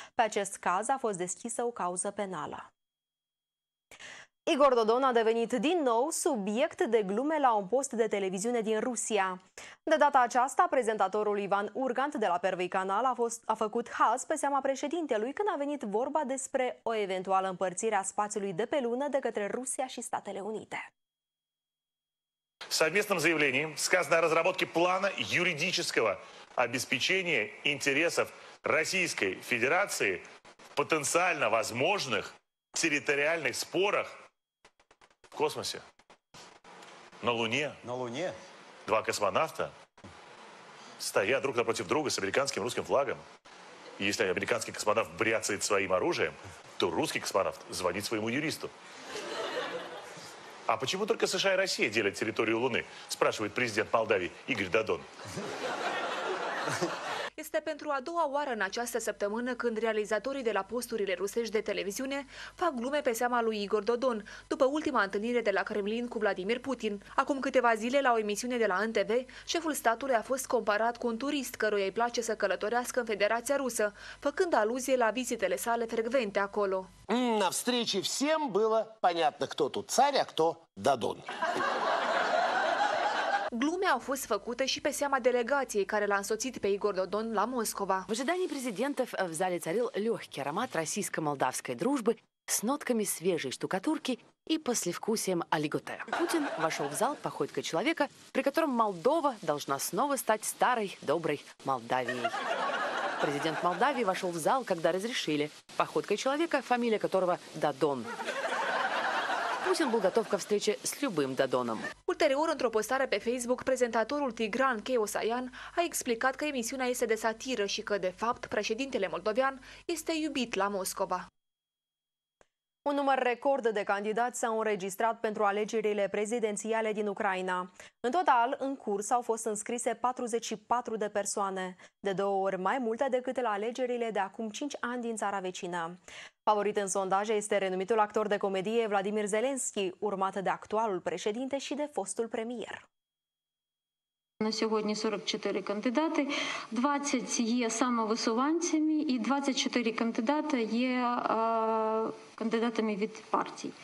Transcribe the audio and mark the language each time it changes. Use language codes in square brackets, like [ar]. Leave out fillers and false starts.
[ro] Pe acest caz a fost deschisă o cauză penală. Igor Dodon a devenit din nou subiect de glume la un post de televiziune din Rusia. De data aceasta, prezentatorul Ivan Urgant de la Pervii Canal a făcut haz pe seama președintelui când a venit vorba despre o eventuală împărțire a spațiului de pe lună de către Rusia și Statele Unite. [ru] В совместном заявлении сказано о разработке плана юридического обеспечения интересов Российской Федерации в потенциально возможных территориальных спорах в космосе, на Луне. На Луне. Два космонавта стоят друг напротив друга с американским и русским флагом. И если американский космонавт бряцает своим оружием, то русский космонавт звонит своему юристу. А почему только США и Россия делят территорию Луны? Спрашивает президент Молдавии Игорь Додон. [ro] Este pentru a doua oară în această săptămână când realizatorii de la posturile rusești de televiziune fac glume pe seama lui Igor Dodon, după ultima întâlnire de la Kremlin cu Vladimir Putin. Acum câteva zile, la o emisiune de la NTV, șeful statului a fost comparat cu un turist căruia îi place să călătorească în Federația Rusă, făcând aluzie la vizitele sale frecvente acolo. [ru] На встрече всем было понятно, кто тут царь, а кто Дадон. [ro] Glume au fost făcute și pe seama delegației care l-a însoțit pe Igor Dodon la Moscova. [ru] В ожидании президентов в зале царил легкий аромат российско-молдавской дружбы с нотками свежей штукатурки и послевкусием олиготе. Путин вошел в зал походкой человека, при котором Молдова должна снова стать старой доброй Молдавией. Президент Молдавии вошел в зал, когда разрешили. Походкой человека, фамилия которого Дадон. Путин был готов ко встрече с любым Дадоном. [ro] Ulterior, într-o postare pe Facebook, prezentatorul Tigran Keosayan a explicat că emisiunea este de satiră și că, de fapt, președintele moldovean este iubit la Moscova. Un număr record de candidați s-au înregistrat pentru alegerile prezidențiale din Ucraina. În total, în curs au fost înscrise 44 de persoane, de două ori mai multe decât la alegerile de acum 5 ani din țara vecină. Favorit în sondaje este renumitul actor de comedie Vladimir Zelensky, urmat de actualul președinte și de fostul premier. [uk] На сьогодні 44 кандидати, 20 є самовисуванцями і 24 кандидати є кандидатами від партій.